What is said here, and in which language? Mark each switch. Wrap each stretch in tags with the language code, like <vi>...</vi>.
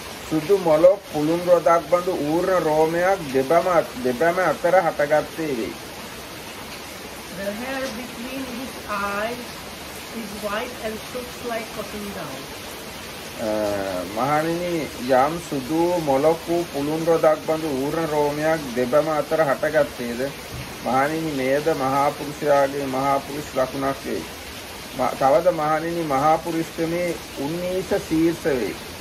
<si>සුදු මොළො පුළුන් රොදක් බඳු ඌර්ණ රෝමයක් දෙබැම අතර හටගත්තේ වේ.</si> <en>The hair between his eyes is white and soft like cotton down.</en> <si>මහණෙනි යම් සුදු මොළොකු පුළුන් රොදක් බඳු ඌර්ණ රෝමයක් දෙබම අතර හටගත්තේද මහණෙනි මේද මහා පුරුෂයාගේ මහා පුරුෂ ලකුණක් වේ. තවද මහණෙනි මහා පුරුෂකමේ උන්නීස ශීර්ෂ වේ.</si>